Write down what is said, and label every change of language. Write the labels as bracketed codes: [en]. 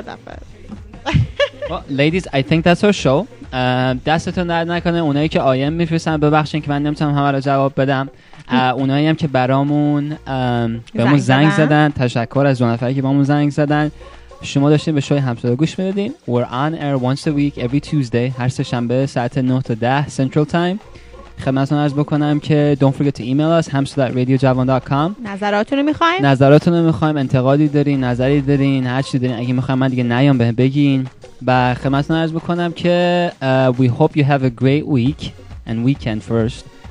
[fa] بخیر. [en] Ladies, I think that's our show. [fa] دستتون درد نکنه. اونایی که آیم میفرستن ببخشین که من نمیتونم همه رو جواب بدم. اونایی هم که برامون بهمون زنگ زدن تشکر از اون نفری که بهمون زنگ زدن. شما داشتین به شوی همسایه گوش میدادین. [en] We're on air once a week every Tuesday. [fa] هر سه شنبه ساعت 9 تا 10 Central Time. خدمتتون عرض بکنم که [en] don't forget to email us hamsa@radiojavan.com. [fa] نظراتونو میخوایم. انتقادی دارین، نظری دارین، هر چی دارین اگه میخوایم من دیگه نیام بهم بگین. و خدمتتون عرض بکنم که [en] we hope you have a great week and weekend first.